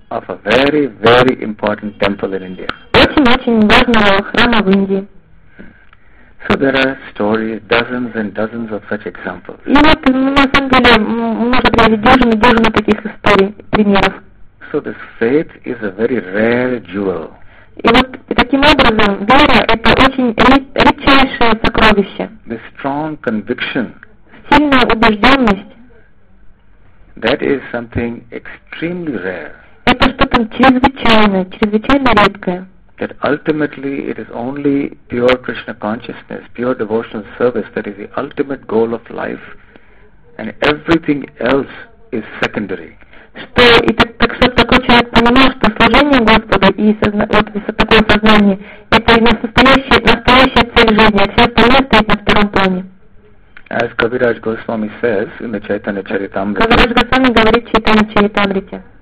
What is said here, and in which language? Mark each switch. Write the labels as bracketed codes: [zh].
[en] of a very, very important temple in India. [ru] Очень-очень важного храма в Индии. [en] So there are stories, dozens and dozens of such examples. [ru] И вот, на самом деле, можно приводить дюжины и дюжины таких историй, примеров. [en] So this faith is a very rare jewel. [ru] И вот, таким образом, вера — это очень редчайшее сокровище. [en] The strong conviction, [ru] сильная убежденность, [en] That is something extremely rare. [ru] Это что-то чрезвычайное, чрезвычайно редкое. [en] That ultimately it is only pure Krishna consciousness, pure devotional service that is the ultimate goal of life, and everything else is secondary. [ru] Что и так что такой человек понимает, что служение Господу и вот такое сознание это настоящая цель жизни, а все остальное стоит на втором плане. [en] As Kaviraj Goswami says in the Chaitanya Charitamrita. [ru] Kaviraj Goswami говорит в Chaitanya Charitamrita.